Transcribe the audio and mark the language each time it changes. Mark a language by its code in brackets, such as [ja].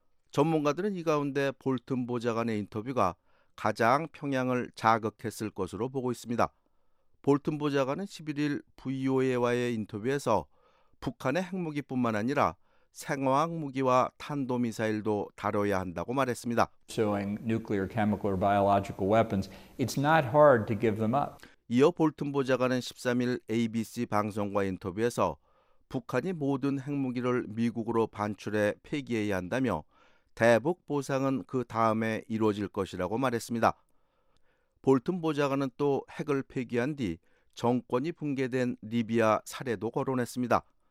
[ko] 전문가들은 이 가운데 볼튼 보좌관의 인터뷰가 가장 평양을 자극했을 것으로 보고 있습니다. 볼튼 보좌관은 11일 VOA와의 인터뷰에서 북한의 핵무기뿐만 아니라 생화학 무기와 탄도미사일도 다뤄야 한다고 말했습니다. [en] Showing nuclear, chemical, or biological weapons, it's not hard to give them up. [ko] 이어 볼튼 보좌관은 13일 ABC 방송과 인터뷰에서 북한이 모든 핵무기를 미국으로 반출해 폐기해야 한다며 대북 보상은 그 다음에 이루어질 것이라고 말했습니다. 볼튼 보좌관은 또 핵을 폐기한 뒤 정권이 붕괴된 리비아 사례도 거론했습니다.